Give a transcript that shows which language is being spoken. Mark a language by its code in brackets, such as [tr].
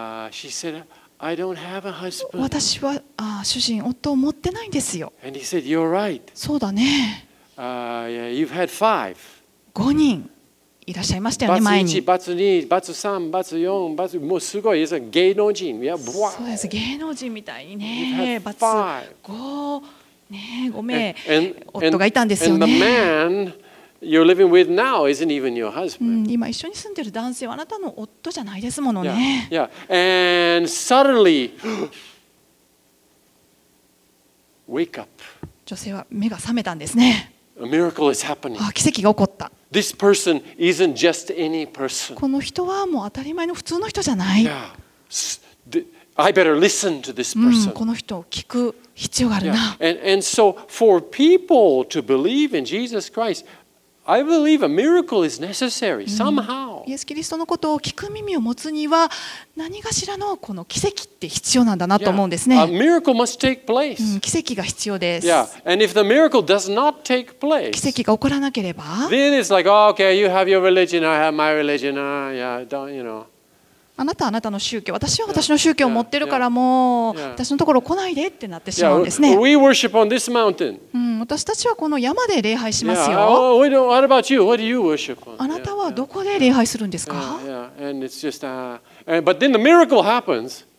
[en] She said,I don't have a husband. [ja] 私は主人、夫を持ってないんですよ。 [en] And he said, "You're right." [ja] そうだね。 [en] Yeah, you've had five. [ja] 五人いらっしゃいましたよね、前に。バツ一、バツ二、バツ三、バツ四、バツ、もうすごい、芸能人。いや、そうです、芸能人みたいにね。バツ五、ね、五名、夫がいたんですよね。 [en] And the man you're living with now isn't even your husband. [ja] 今一緒に住んでる男性はあなたの夫じゃないですものね。 [en] Yeah. And suddenly, wake up. [ja] 女性は目が覚めたんですね。 [en] A miracle is happening. [ja] 奇跡が起こった。 [en] This person isn't just any person. [ja] この人はもう当たり前の普通の人じゃない。 [en] Yeah. I better listen to this person. [ja] この人を聞く必要があるな。 [en] Yeah. And so for people to believe in Jesus Christ, I believe a miracle is necessary somehow. [ja] イエス・キリストのことを聞く耳を持つには何かしらのこの奇跡って必要なんだなと思うんですね。 [en] Yeah. A miracle must take place. [ja] 奇跡が必要です。 [en] Yeah. And if the miracle does not take place, [ja] 奇跡が起こらなければ [en] then it's like, oh, okay, you have your religion, I have my religion, yeah, don't, you know. [ja] あなたはあなたの宗教、私は私の宗教を持ってるからもう私のところ来ないでってなってしまうんですね。 [en] We worship on this mountain. [ja] 私たちはこの山で礼拝しますよ。 [en] Yeah. Oh, what about you? What do you worship on? [ja] あなたはどこで礼拝するんですか？ [en] Yeah. And it's just, but then the miracle happens.